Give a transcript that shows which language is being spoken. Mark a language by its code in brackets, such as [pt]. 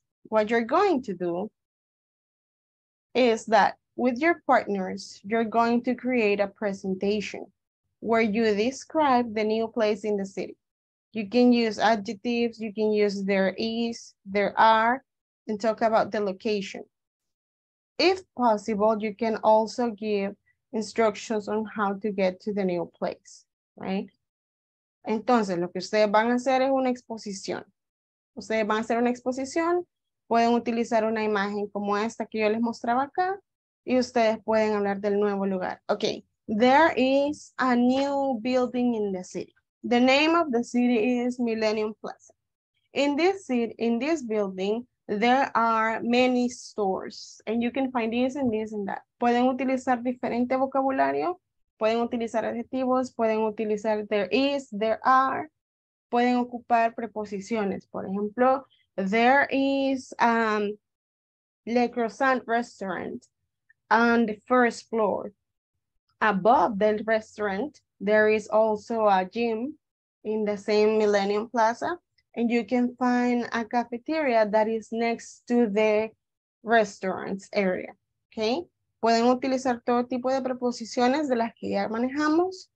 [en] What you're going to do is that with your partners, you're going to create a presentation where you describe the new place in the city. You can use adjectives, you can use there is, there are, and talk about the location. If possible, you can also give instructions on how to get to the new place, right? [es] Entonces, lo que ustedes van a hacer es una exposición. Ustedes van a hacer una exposición, pueden utilizar una imagen como esta que yo les mostraba acá, y ustedes pueden hablar del nuevo lugar. [en] Okay, there is a new building in the city. The name of the city is Millennium Plaza. In this city, in this building, there are many stores. And you can find this and this and that. [es] Pueden utilizar diferente vocabulario. Pueden utilizar adjetivos. Pueden utilizar [en] there is, there are. [es] Pueden ocupar preposiciones. Por ejemplo, [en] there is Le Croissant restaurant on the first floor. Above the restaurant, there is also a gym in the same Millennium Plaza. and you can find a cafeteria that is next to the restaurants area, okay? [es] Pueden utilizar todo tipo de preposiciones de las que ya manejamos.